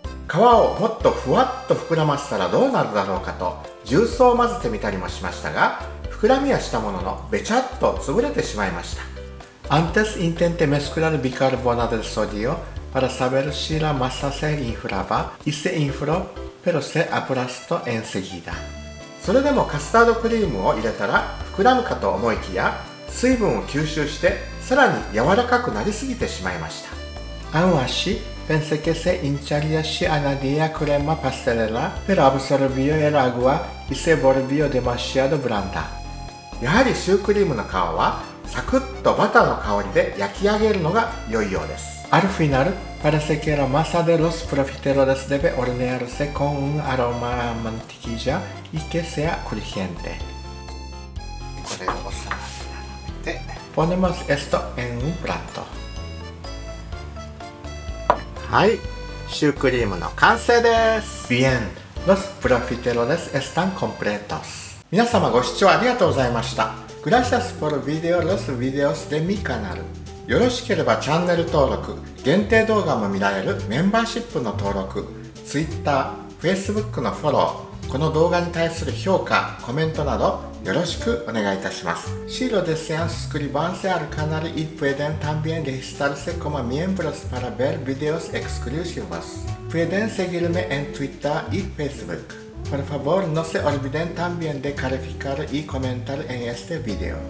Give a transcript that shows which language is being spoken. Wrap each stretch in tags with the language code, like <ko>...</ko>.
<ja>皮をもっとふわっと膨らませたらどうなるだろうかと重曹を混ぜてみたりもしましたが、膨らみはしたもののべちゃっと潰れてしまいました。</ja> <es>Antes intenté mezclar bicarbonato de sodio para saber si la masa se inflaba y se infló, pero se aplastó enseguida.</es> <ja>それでもカスタードクリームを入れたら膨らむかと思いきや、水分を吸収してさらに柔らかくなりすぎてしまいました。</ja> <es>Aún así, pensé que se hincharía si añadía crema pastelera, pero absorbió el agua y se volvió demasiado blanda.</es> <ja>やはりシュークリームの皮はサクッとバターの香りで焼き上げるのが良いようです。</ja> <es>Al final, parece que la masa de los profiteroles debe hornearse con un aroma a mantequilla y que sea crujiente.</es> <ja>これをお皿に並べて、</ja> <es>Ponemos esto en un plato.</es> <ja>はい、シュークリームの完成です。</ja> <es>Bien, los profiteroles están completos.</es> <ja>皆様ご視聴ありがとうございました。</ja> <es>Gracias por video los videos de mi canal.</es> <ja>よろしければチャンネル登録、限定動画も見られるメンバーシップの登録、Twitter、Facebook のフォロー、この動画に対する評価、コメントなどよろしくお願いいたします。</ja> <es>Si lo desean suscribirse al canal y pueden también registrarse como miembros para ver videos exclusivos. Pueden seguirme en Twitter y Facebook. Por favor, no se olviden también de calificar y comentar en este video.</es>